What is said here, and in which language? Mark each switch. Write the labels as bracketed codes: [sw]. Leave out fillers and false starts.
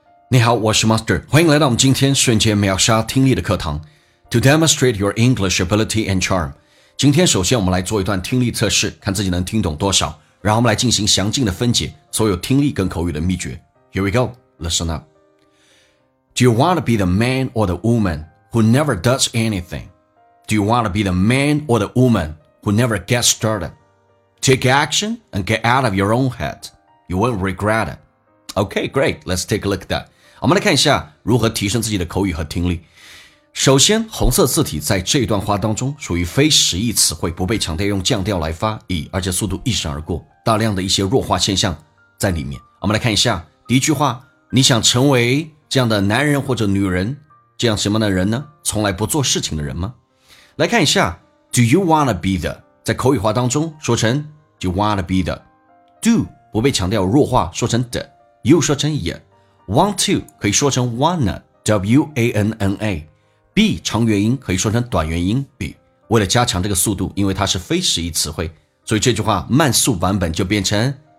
[zh] 你好，我是 Master， 欢迎来到我们今天瞬间秒杀听力的课堂。 [en] To demonstrate your English ability and charm， [zh] 今天首先我们来做一段听力测试，看自己能听懂多少，然后我们来进行详尽的分解所有听力跟口语的秘诀。 [en] Here we go, listen up. Do you want to be the man or the woman who never does anything? Do you want to be the man or the woman who never gets started? Take action and get out of your own head. You won't regret it. Okay, great. Let's take a look at that. [zh] 我们来看一下如何提升自己的口语和听力。首先，红色字体在这段话当中属于非实义词汇，不被强调，用降调来发音，而且速度一闪而过，大量的一些弱化现象在里面。我们来看一下第一句话，你想成为这样的男人或者女人，这样什么的人呢？从来不做事情的人吗？来看一下 [en] Do you want to be the? [zh] 在口语化当中说成 [en] Do you want to be the? [zh] Do 不被强调弱化，说成 theYou 说成 [en] Want to [zh] 可以说成 wanna W-A-N-N-A Be 长元音可以说成短元音 Be 为了加强这个速度，因为它是非实义词汇，所以这句话慢速版本就变成